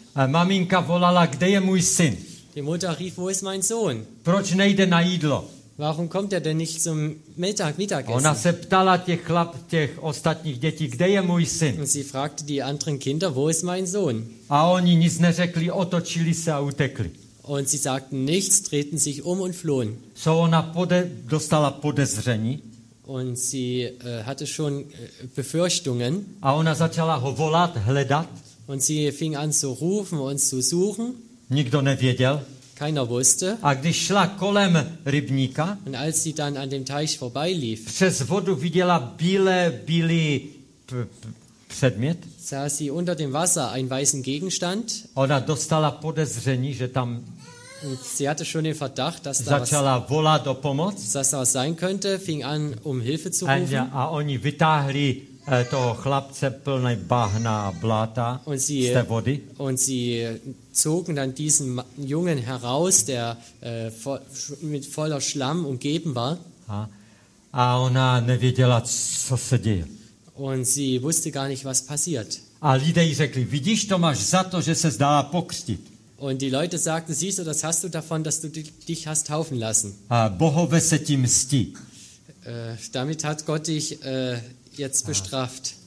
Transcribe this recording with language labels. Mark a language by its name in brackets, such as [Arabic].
[Czech] A maminka volala, kde je můj syn? [German] Die Mutter rief, wo ist mein Sohn? [Czech] Proč nejde na jídlo? [German] Warum kommt er denn nicht zum Mittagessen? [Czech] Ona se ptala těch ostatních dětí, kde je můj syn? [German] Und sie fragte die anderen Kinder, wo ist mein Sohn? [Czech] A oni nic neřekli, otočili se a utekli. [German] Und sie sagten nichts, drehten sich und flohen. [Czech] So ona dostala podezření. [German] Und sie hatte schon Befürchtungen. [Czech] A ona začala ho volat, hledat. [German] Und sie fing an zu rufen und zu suchen. [Czech] Nikdo nevěděl. [German] Keiner wusste. [Czech] A když šla kolem rybníka, [German] und als sie dann an dem Teich vorbeilief, [Czech] přes vodu viděla bílý předmět, [German] sah sie unter dem Wasser einen weißen Gegenstand, [Czech] ona dostala podezření, že tam [German] sie hatte schon den Verdacht, dass [Czech] začala volat o pomoc, [German] dass da was sein könnte, fing an, um Hilfe zu rufen, [Czech] a oni vytáhli toho chlapce plnej bahna a bláta z té vody. [German] Und sie zogen dann diesen Jungen heraus, der mit voller Schlamm umgeben war. [Czech] A ona nevěděla, co se děje. [German] Und sie wusste gar nicht, was passiert. [Czech] A lidé jí řekli, vidíš, to máš za to, že se zdala pokřtit. [German] Und die Leute sagten, siehst du, das hast du davon, dass du dich hast taufen lassen. [Czech] A Bohové se tím mstí. [German] Damit hat Gott dich jetzt bestraft.